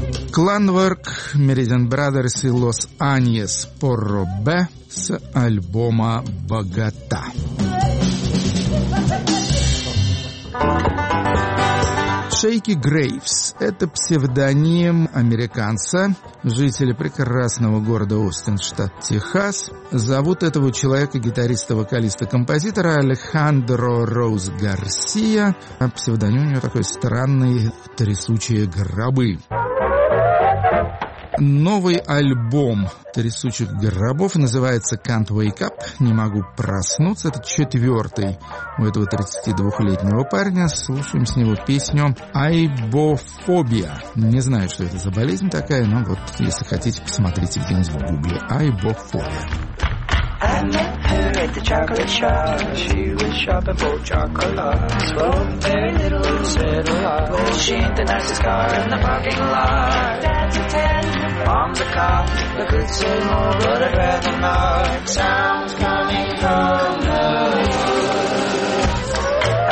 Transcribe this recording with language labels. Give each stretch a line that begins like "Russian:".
Russian: Klangwart, Meridian Brothers и Los Añes, Porro B с альбома «Богота». Шейки Грейвс – это псевдоним американца, жителя прекрасного города Остин, штат Техас. Зовут этого человека гитариста, вокалиста, композитора Алехандро Роуз Гарсия. А псевдоним у него такой странный – «Трясучие гробы». Новый альбом «Трясучих гробов» называется «Can't Wake Up», «Не могу проснуться». Это четвертый у этого 32-летнего парня. Слушаем с него песню «Айбофобия». Не знаю, что это за болезнь такая, но вот если хотите, посмотрите где-нибудь в гугле «Айбофобия».
English: The chocolate shop. She was shopping for chocolate. Smoked very little lot. Well, she ain't the nicest car in the parking lot. Dad's a 10, mom's a cop. I could say more, but I'd rather not. Sounds coming from the moon.